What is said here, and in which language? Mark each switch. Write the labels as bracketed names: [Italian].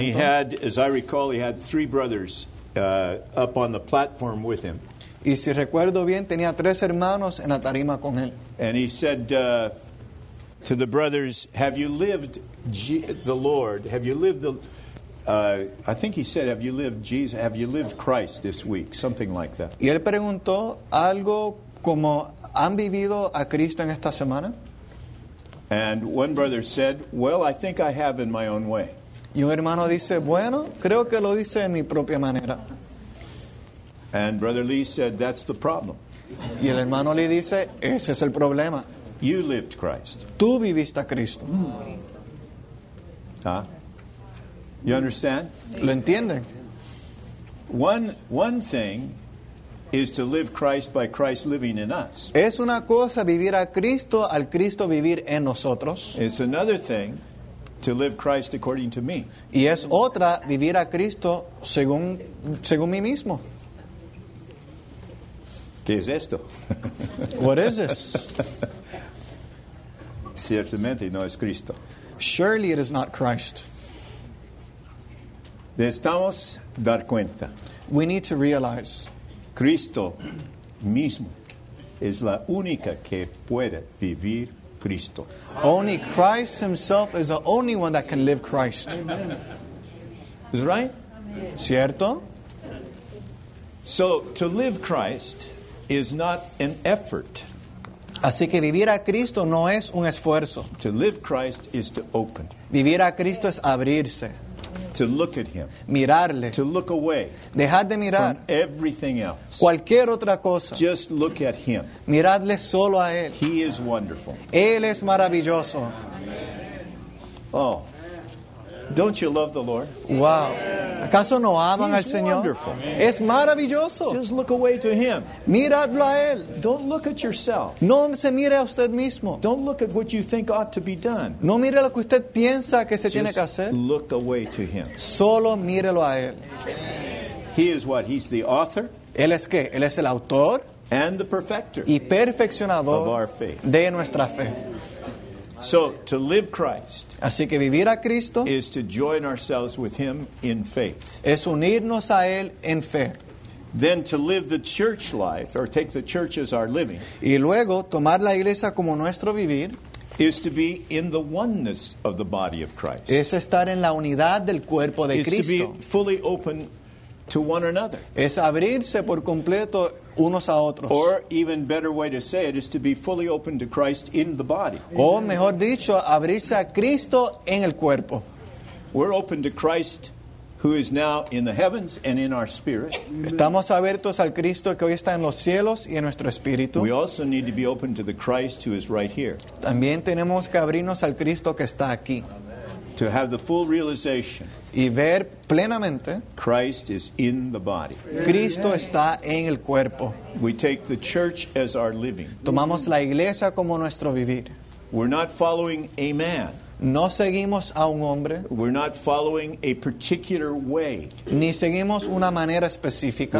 [English] And he had, as I recall, he had three brothers up on the platform with him. [Spanish] Y si recuerdo bien, tenía tres hermanos en la tarima con él. [English] And he said to the brothers, have you lived the Lord? Have you lived the... I think he said, have you lived Jesus? Have you lived Christ this week? Something like that. [Spanish] Y él preguntó algo como, ¿han vivido a Cristo en esta semana? [English] And one brother said, well, I think I have in my own way. [Spanish] Y un hermano dice, bueno, creo que lo hice en mi propia manera. [English] And Brother Lee said, that's the problem. [Spanish] Y el hermano Lee dice, ese es el problema. [English] You lived Christ. [Spanish] Tú viviste a Cristo. [English] Huh? You understand? [Spanish] Lo entienden. [English] One thing is to live Christ by Christ living in us. [Spanish] Es una cosa vivir a Cristo al Cristo vivir en nosotros. [English] It's another thing to live Christ according to me. [Spanish] Y es otra vivir a Cristo según mí mismo. ¿Qué es esto? [English] What is this? [Spanish] Ciertamente no es Cristo. [English] Surely it is not Christ. [Spanish] Necesitamos dar cuenta. [English] We need to realize. [Spanish] Cristo mismo es la única que puede vivir Cristo. [English] Only Christ himself is the only one that can live Christ. Amen. Is it right? [Spanish] Amen. ¿Cierto? [English] So, to live Christ is not an effort. [Spanish] Así que vivir a Cristo no es un esfuerzo. [English] To live Christ is to open. [Spanish] Vivir a Cristo es abrirse. [English] To look at him. [Spanish] Mirarle. [English] To look away. [Spanish] Dejar de mirar. [English] From everything else. [Spanish] Cualquier otra cosa. [English] Just look at him. [Spanish] Miradle solo a él. [English] He is wonderful. [Spanish] Él es maravilloso. [English] Oh. Don't you love the Lord? [Spanish] Wow. ¿Acaso no aman [English] He's [Spanish] al Señor? [English] Wonderful. [Spanish] Es maravilloso. [English] Just look away to him. [Spanish] Miradlo a él. [English] Don't look at yourself. [Spanish] No se mire a usted mismo. [English] Don't look at what you think ought to be done. [Spanish] No mire lo que usted piensa que se [English] Just [Spanish] tiene que hacer. [English] Look away to him. [Spanish] Solo mírelo a él. [English] He is what? He's the author. [Spanish] Él es qué? Él es el autor. [English] And the perfecter. [Spanish] Y perfeccionador. [English] Of our faith. [Spanish] De nuestra fe. [English] So to live Christ, [Spanish] así que vivir a Cristo, [English] is to join ourselves with Him in faith. [Spanish] Es unirnos a él en fe. [English] Then to live the church life, or take the church as our living, [Spanish] y luego tomar la iglesia como nuestro vivir, [English] is to be in the oneness of the body of Christ. [Spanish] Es estar en la unidad del cuerpo de Cristo. [English] Is to be fully open to one another. [Spanish] Es abrirse por completo. Unos a otros. [English] Or even better way to say it is to be fully open to Christ in the body. [Spanish] O mejor dicho, abrirse a Cristo en el cuerpo. [English] We're open to Christ who is now in the heavens and in our spirit. [Spanish] Estamos abiertos al Cristo que hoy está en los cielos y en nuestro espíritu. [English] We also need to be open to the Christ who is right here. [Spanish] También tenemos que abrirnos al Cristo que está aquí. [English] To have the full realization. [Spanish] Y ver plenamente. [English] Christ is in the body. [Spanish] Cristo está en el cuerpo. [English] We take the church as our living. [Spanish] Tomamos la iglesia como nuestro vivir. [English] We're not following a man. [Spanish] No seguimos a un hombre. [English] We're not following a particular way. [Spanish] Ni seguimos una manera específica.